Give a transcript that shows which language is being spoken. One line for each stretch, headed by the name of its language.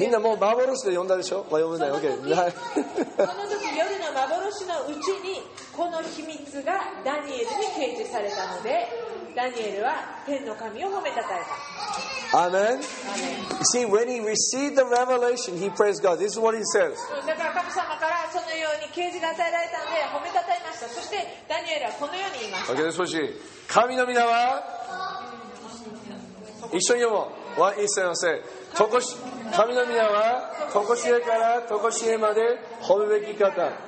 Japanese: みんなもう幻で読んだでしょ。まあ、読んでない。その時、 okay. この時夜の幻のうちにこの秘密がダニエルに掲示されたので、ダニエルは天の神を褒めたたえた。
English: Amen. You see, when he received the revelation, he praised God. This is what he says.
Japanese: だから神様からそのように啓示が与えられたので褒めたたえました。そしてダニエルはこのように言いました。 Okay, 少し神の皆は一緒に読もう。一緒に読もう。神の皆は、とこしえからとこしえまで褒めべき方。